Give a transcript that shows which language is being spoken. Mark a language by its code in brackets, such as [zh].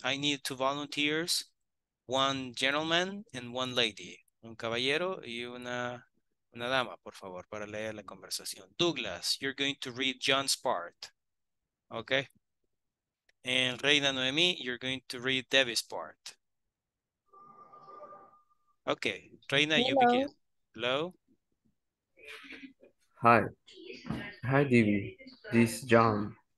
[en] I need two volunteers, one gentleman and one lady. [es] Un caballero y una dama, por favor, para leer la conversación. [en] Douglas, you're going to read John's part. Okay. And Reina Noemi, you're going to read Debbie's part. Okay. Reina, hello. You begin. Hello. Hi. Hi, Debbie. This is John.